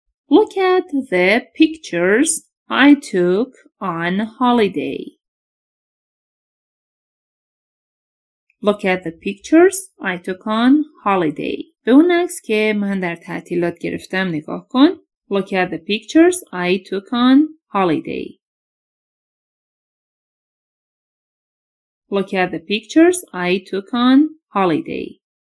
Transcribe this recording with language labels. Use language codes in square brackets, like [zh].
[en] Look at the pictures I took on holiday. Look at the pictures I took on holiday. [fa] به اون عکس که من در تعطیلات گرفتم نگاه کن. [en] Look at the pictures I took on holiday. Look at the pictures I took on holiday.